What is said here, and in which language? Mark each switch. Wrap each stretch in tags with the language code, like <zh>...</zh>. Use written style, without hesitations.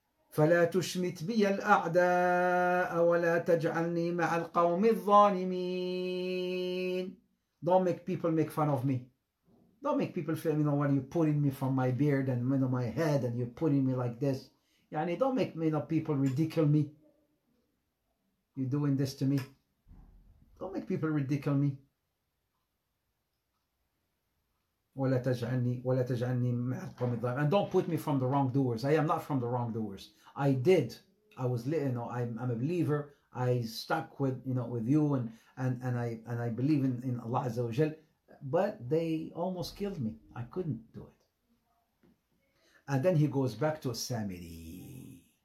<ar>فلا تشمت بي الأعداء ولا تجعلني مع القوم الظالمين.</ar> <en>Don't make people make fun of me. Don't make people feel, you know, when you're pulling me from my beard and, you know, my head and you're pulling me like this. يعني don't make, you know, people ridicule me. You're doing this to me. Don't make people ridicule me.</en> <ar>ولا تجعلني مع القوم الظالمين.</ar> <en>And don't put me from the wrongdoers. I am not from the wrongdoers. I did. I was, you know, I'm a believer. I stuck with, you know, with you and I believe in Allah Azza wa Jal. But they almost killed me. I couldn't do it. And then he goes back to Samiri.</en>